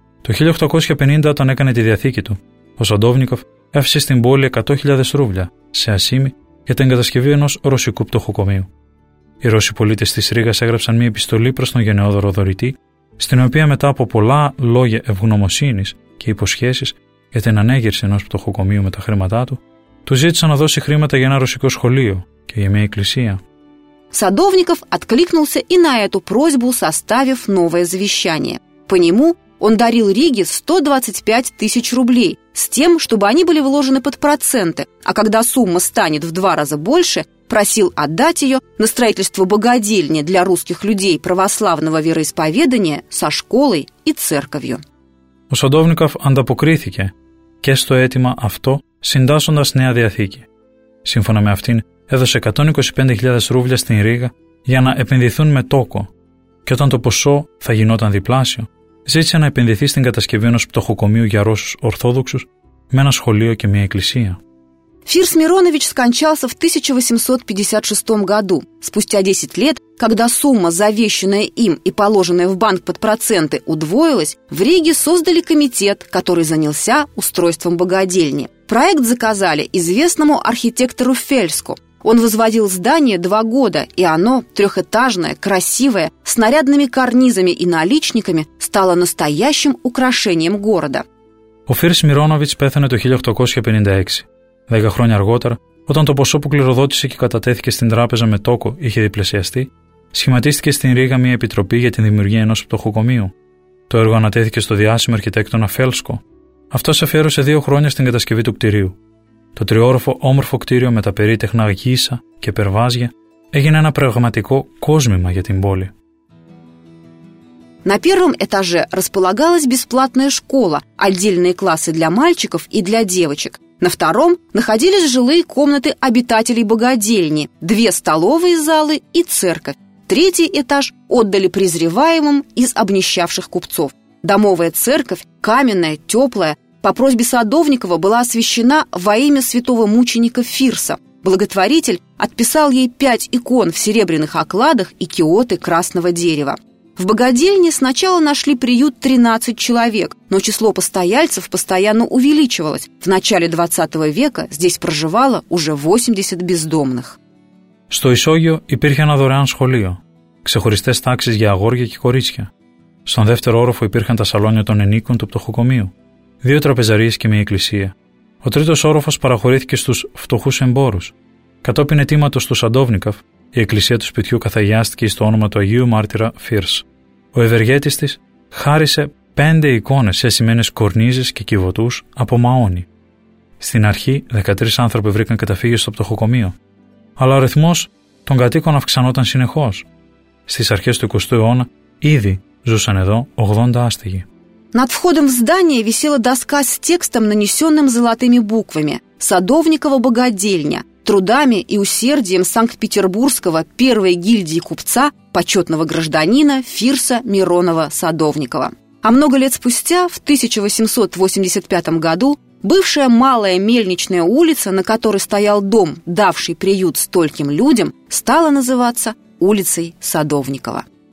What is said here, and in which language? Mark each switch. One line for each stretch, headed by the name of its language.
Greek: Το 1850 τον έκανε τη διαθήκη του. Ο Σαντόβνικοφ έφυσε στην πόλη 100.000 ρούβλια σε ασήμι για την εγκατασκευή ενός ρωσικού πτωχοκομείου. Οι Ρώσοι πολίτες της Ρήγας έγραψαν μια επιστολή προς τον γενναιόδωρο δωρητή, στην οποία μετά από πολλά λόγια ευγνωμοσύνης και υποσχέσεις για την ανέγερση ενός πτωχοκομείου με τα χρήματά του, του ζήτησαν να δώσει χρήματα για ένα ρωσικό σχολείο και για μια εκκλησία.
Russian: Садовников откликнулся и на эту просьбу, составив новое завещание. По нему он дарил Риге 125 тысяч рублей с тем, чтобы они были вложены под проценты, а когда сумма станет в два раза больше, просил отдать ее на строительство богадельни для русских людей православного вероисповедания со школой и церковью.
Greek: У Садовников ανταποκρίθηκε και στο αίτημα αυτό, συντάσσοντας νέα διαθήκη. Σύμφωνα με αυτήν, έδωσε 125.000 ρούβλια στην Ρήγα για να επενδυθούν με τόκο και όταν το ποσό θα γινόταν διπλάσιο, ζήτησε να επενδυθεί στην κατασκευή ενός πτωχοκομείου για Ρώσους Ορθόδοξους με ένα σχολείο και μια εκκλησία.
Russian: Фирс Миронович скончался в 1856 году. Спустя 10 лет, когда сумма, завещанная им и положенная в банк под проценты, удвоилась, в Риге создали комитет, который занялся устройством богадельни. Проект заказали известному архитектору Фельску. Он возводил здание 2 года, и оно, трехэтажное, красивое, с нарядными карнизами и наличниками, стало настоящим украшением города.
Greek: Ο Фирс Миронович πέθανε το 1856. 10 χρόνια αργότερα, όταν το ποσό που κληροδότησε και κατατέθηκε στην τράπεζα με τόκο είχε διπλασιαστεί, σχηματίστηκε στην Ρήγα μια επιτροπή για την δημιουργία ενός πτωχοκομείου. Το έργο ανατέθηκε στο διάσημο αρχιτέκτονα Φέλσκο. Αυτός αφιέρωσε 2 χρόνια στην κατασκευή του κτηρίου. Το τριώροφο όμορφο κτίριο με τα περίτεχνα γύσα και περβάζια έγινε ένα πραγματικό κόσμημα για την πόλη.
Russian: На первом этаже располагалась бесплатная школа, отдельные классы для мальчиков и для девочек. На втором находились жилые комнаты обитателей богадельни, 2 столовые залы и церковь. Третий этаж отдали презреваемым из обнищавших купцов. Домовая церковь, каменная, теплая, по просьбе Садовникова была освящена во имя святого мученика Фирса. Благотворитель отписал ей 5 икон в серебряных окладах и киоты красного дерева. В богадельне сначала нашли приют 13 человек, но число постояльцев постоянно увеличивалось. В начале 20 века здесь проживало уже 80 бездомных.
Greek: Στο Ισόγειο υπήρχε ένα δωρεάν σχολείο, ξεχωριστές τάξεις για αγόρια και κορίτσια. Στον δεύτερο όροφο υπήρχαν τα σαλόνια των ενίκων του πτωχοκομείου, 2 τραπεζαρίες και μια εκκλησία. Ο τρίτος όροφος παραχωρήθηκε στους φτωχούς εμπόρους. Κατόπιν αιτήματος του Σαντόβνικοφ, η εκκλησία του σπιτιού καθαγιάστηκε στο όνομα του Αγίου Μάρτυρα Φίρς. Ο ευεργέτης της χάρισε 5 εικόνες σε σημαίνες κορνίζες και κυβωτούς από μαόνι. Στην αρχή, 13 άνθρωποι βρήκαν καταφύγιο στο πτωχοκομείο, αλλά ο αριθμός των κατοίκων αυξανόταν συνεχώς. Στις αρχές του 20ου αιώνα ήδη ζούσαν εδώ 80 άστεγοι.
Russian: Над входом в здание висела доска с текстом, нанесенным золотыми буквами «Садовникова богадельня». Трудами и усердием Санкт-Петербургского первой гильдии купца, почетного гражданина Фирса Миронова Садовникова. А много лет спустя, в 1885 году, бывшая малая мельничная улица, на которой стоял дом, давший приют стольким людям, стала называться улицей Садовникова.